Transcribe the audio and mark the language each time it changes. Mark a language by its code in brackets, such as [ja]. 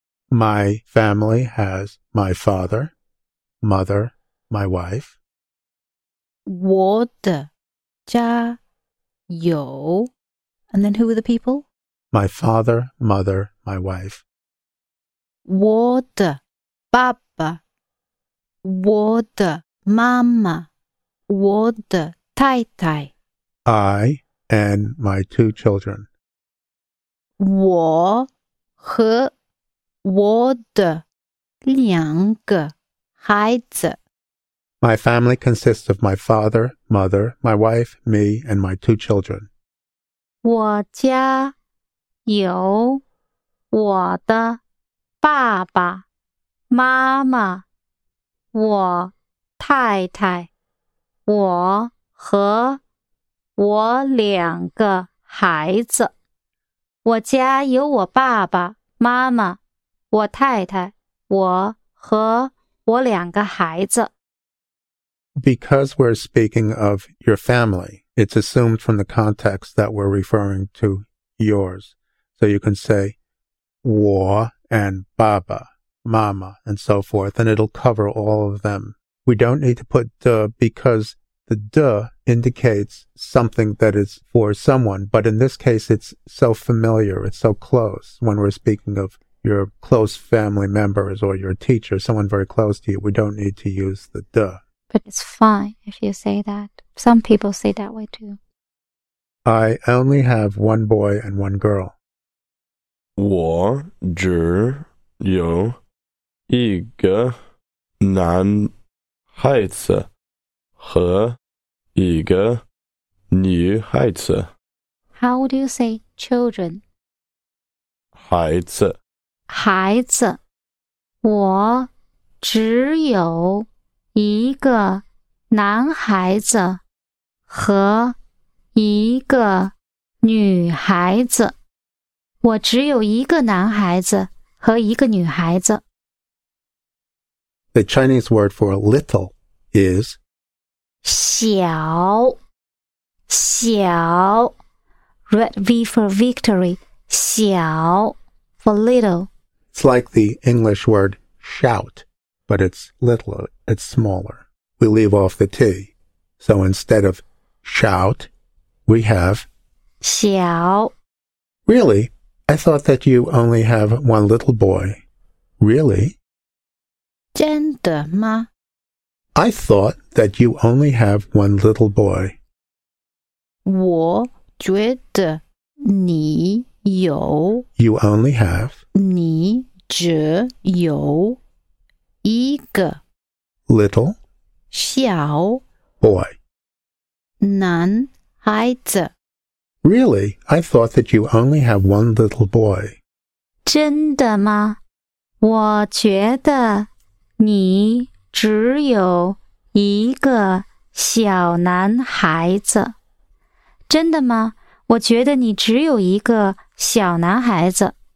[en] My family has my father, mother, my wife. [zh] 我的家有 [en] And then who are the people? My father, mother, my wife. [zh] 我的爸爸我的妈妈我的太太 [en] I and my two children. [zh] 我和我的两个孩子 [en] My family consists of my father, mother, my wife, me, and my two children. [zh] 我家有我的爸爸妈妈我太太我和我两个孩子我家有我爸爸妈妈我太太我和我两个孩子 [en] Because we're speaking of your family, it's assumed from the context that we're referring to yours. So you can say 我 and 爸爸Mama, and so forth, and it'll cover all of them. We don't need to put de because the de indicates something that is for someone, but in this case, it's so familiar, it's so close. When we're speaking of your close family members or your teacher, someone very close to you, we don't need to use the de. But it's fine if you say that. Some people say that way too. I only have one boy and one girl. [zh] 我只有一个男孩子和一个女孩子。 [en] How do you say children? [zh] 孩子。孩子。我只有一个男孩子和一个女孩子。我只有一个男孩子和一个女孩子。 [en] The Chinese word for little is [zh] 小小 [en] Red V for victory 小 for little It's like the English word shout but it's little, it's smaller We leave off the T So instead of shout we have [zh] 小 [en] Really? I thought that you only have one little boy Really? [zh] 真的吗? [en] I thought that you only have one little boy. [zh] 我觉得你有 [en] You only have [zh] 你只有一个 [en] Little [zh] 小 [en] Boy [zh] 男孩子 [en] Really, I thought that you only have one little boy. [zh] 真的吗? 我觉得你只有一个小男孩子。真的吗? 我觉得你只有一个小男孩子。